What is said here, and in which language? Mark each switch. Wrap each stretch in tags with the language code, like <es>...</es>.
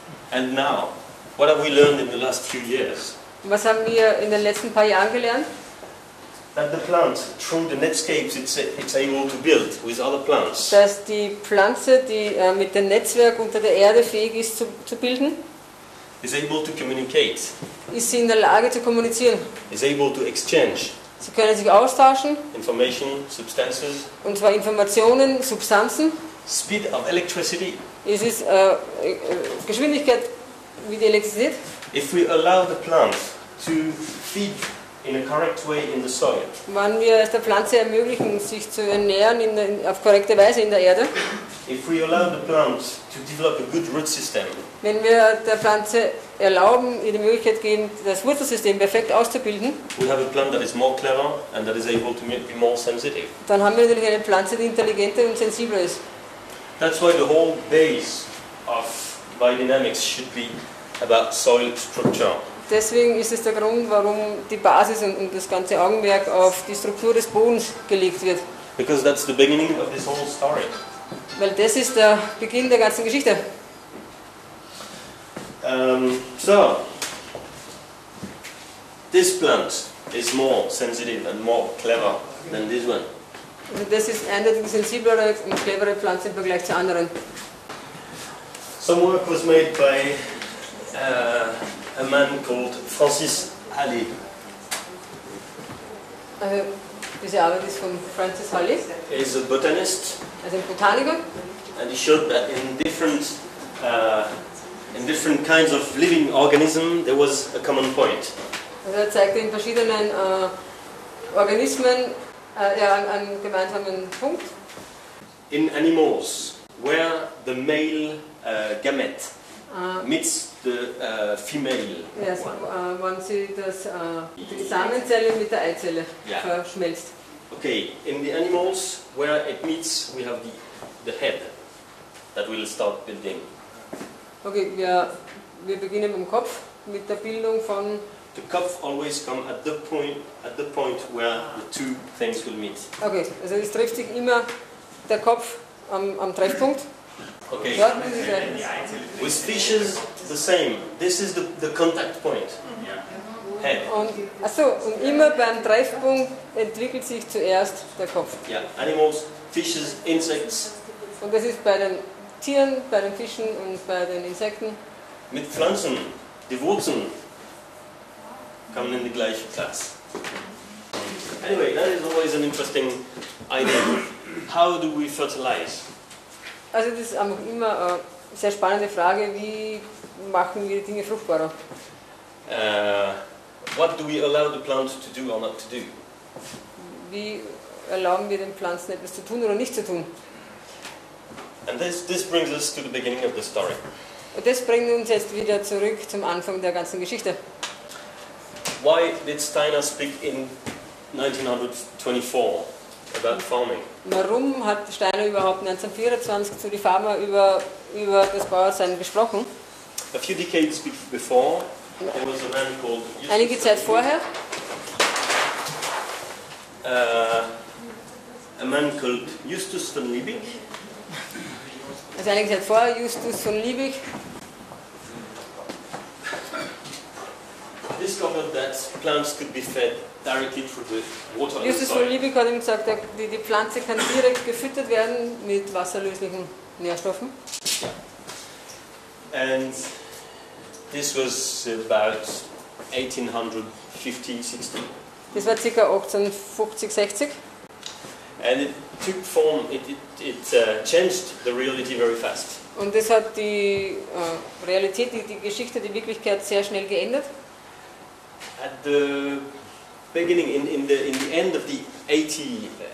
<en>And now, what have we learned in the last few years?</en> <de>Was haben wir in den letzten paar Jahren gelernt?</de> <en>that the plant, through the netscapes it's able to build with other plants.</en> <de>Dass die Pflanze, die mit dem Netzwerk unter der Erde fähig ist zu bilden,</de> <en>is able to communicate.</en> <de>Ist sie in der Lage zu kommunizieren.</de> <en>Is able to exchange.</en> <de>Sie können sich austauschen.</de> <en>Information, substances.</en> <de>Und zwar Informationen, Substanzen.</de> <en>Speed of electricity.</en> <de>Ist es Geschwindigkeit wie die Elektrizität?</de> <en>If we allow the plant to feed in a correct way in the soil.</en> <de>Wenn wir es der Pflanze ermöglichen, sich zu ernähren auf korrekte Weise in der Erde.</de> <en>If we allow the plant to develop a good root system.</en> <de>Wenn wir der Pflanze erlauben, ihr die Möglichkeit geben, das Wurzelsystem perfekt auszubilden.</de> <en>We have a plant that is more clever and that is able to be more sensitive.</en> <de>Dann haben wir natürlich eine Pflanze, die intelligenter und sensibler ist.</de> <en>That's why the whole base of biodynamics should be about soil structure.</en> <de>Deswegen ist es der Grund, warum die Basis und das ganze Augenmerk auf die Struktur des Bodens gelegt wird.</de> <en>Because that's the beginning of this whole story.</en> <de>Weil das ist der Beginn der ganzen Geschichte.</de> <en>So, this plant is more sensitive and more clever than this one.</en> <de>Also das ist eine der sensiblere und clevere Pflanze im Vergleich zu anderen.</de> <en>Some work was made by a man called Francis Halley.</en> <de>Also, diese Arbeit ist von Francis Halley.</de> <en>He is a botanist.</en> <de>Also ein Botaniker.</de> <en>And he showed that in different kinds of living organisms there was a common point.</en> <de>Also zeigte in verschiedenen Organismen einen gemeinsamen Punkt.</de> <en>In animals, where the male gamete meets the female.</en> <de>Yes, wenn sie das die Samenzelle mit der Eizelle verschmelzt.</de> <en>Okay, in the animals where it meets, we have the head that will start building.</en> <de>Okay, wir beginnen mit dem Kopf, mit der Bildung von.</de> <en>The Kopf always comes at the point where the two things will meet.</en> <de>Okay, also es trifft sich immer der Kopf am Treffpunkt.</de> <en>Okay, with species the same. This is the contact point. Head.</en> <de>Und immer beim Treffpunkt entwickelt sich zuerst der Kopf.</de> <en>Yeah, animals, fishes, insects.</en> <de>Und das ist bei den Tieren, bei den Fischen und bei den Insekten. Mit Pflanzen, die Wurzeln kommen in die gleiche Platz.</de> <en>Anyway, that is always an interesting idea. How do we fertilize?</en> <de>Also das ist auch immer eine sehr spannende Frage, wie machen wir die Dinge fruchtbarer?</de> <en>What do we allow the plant to do or not to do?</en> <de>Wie erlauben wir den Pflanzen etwas zu tun oder nicht zu tun?</de> <en>And this brings us to the beginning of the story.</en> <de>Und das bringt uns jetzt wieder zurück zum Anfang der ganzen Geschichte.</de> <en>Why did Steiner speak in 1924? About farming.</en> <de>Warum hat Steiner überhaupt 1924 zu die Farmer über das Bauersein gesprochen?</de> <en>A few decades before, there was a man called.</en> <de>Einige Zeit vorher.</de> <en>A man called Justus von Liebig.</en> <de>Also einige Zeit vorher Justus von Liebig.</de> <en>Discovered that plants could be fed. Directly through the water.</en> <de>Justus von Liebig hat ihm gesagt, die Pflanze kann direkt gefüttert werden mit wasserlöslichen Nährstoffen.</de> <en>And this was about 1850-60.</en> <de>Das war ca. 1850-60.</de> <en>And it took form, it changed the reality very fast.</en> <de>Und das hat die Realität, die Geschichte, die Wirklichkeit sehr schnell geändert.</de> <en>At the beginning in the end of the 80s.</en>